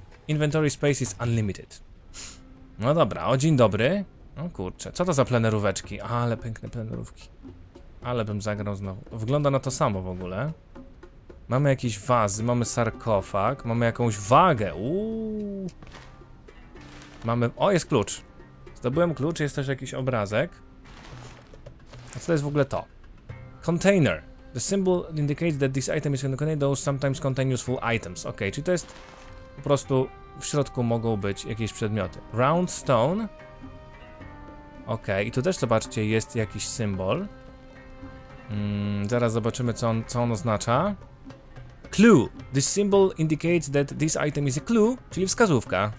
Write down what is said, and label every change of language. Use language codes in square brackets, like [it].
[en] Inventory space is unlimited. [pl] No dobra, o dzień dobry. O kurczę, co to za plenerówki? Ale piękne plenerówki. Ale bym zagrał znowu. Wygląda na to samo w ogóle. Mamy jakieś wazy, mamy sarkofag, mamy jakąś wagę. Mamy... O, jest klucz. Zdobyłem klucz, jest też jakiś obrazek. A co to jest w ogóle to? Container. [en] The symbol indicates that this item is contained though sometimes contain useful items. [pl] Ok, czyli to jest po prostu w środku mogą być jakieś przedmioty. [en] Round stone. [pl] Ok, i tu też zobaczcie, jest jakiś symbol. Zaraz zobaczymy, co on oznacza. [en] clue. This symbol indicates that this item is a clue, [pl] czyli wskazówka.